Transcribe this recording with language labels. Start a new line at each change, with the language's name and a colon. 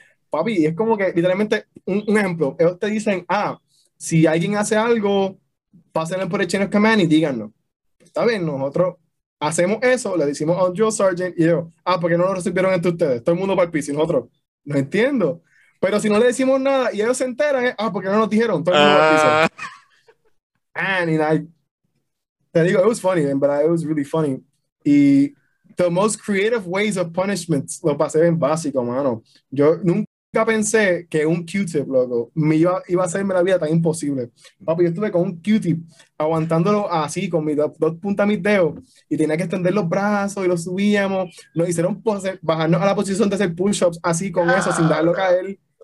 Spanish: Papi, es como que, literalmente, un ejemplo, ellos te dicen, ah, si alguien hace algo, pásenle por el chain of command y díganlo. Está bien, nosotros hacemos eso, le decimos a un drill sergeant, y yo, ah, ¿por qué no lo recibieron entre ustedes? Todo el mundo va al piso, y nosotros, no entiendo. Pero si no le decimos nada, y ellos se enteran, ah, ¿por qué no nos dijeron? Todo el mundo va al piso.
English: And,
Spanish: te digo,
English: it was funny, but it was really funny.
Spanish: Y
English: the most creative ways of punishments,
Spanish: lo pasé bien básico, mano. Yo nunca pensé que un Q-tip, loco, me iba a hacerme la vida tan imposible. Papi, yo estuve con un Q-tip aguantándolo así, con mis dos puntas de mis dedos, y tenía que extender los brazos, y lo subíamos, nos hicieron bajarnos a la posición de hacer push-ups, así con eso, sin dejarlo caer.